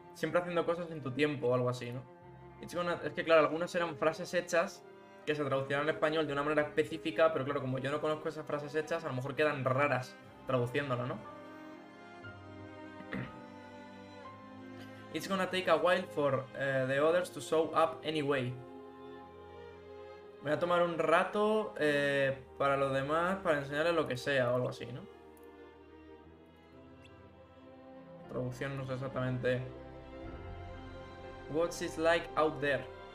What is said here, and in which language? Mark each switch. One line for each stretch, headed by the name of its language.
Spanish: Siempre haciendo cosas en tu tiempo o algo así, ¿no? Es que claro, algunas eran frases hechas que se traducían al español de una manera específica, pero claro, como yo no conozco esas frases hechas, a lo mejor quedan raras traduciéndolas, ¿no?
English: It's gonna take a while for the others to show up anyway.
Spanish: Voy a tomar un rato para los demás, para enseñarles lo que sea o algo así, ¿no? Traducción no sé exactamente.
English: What's it like out there?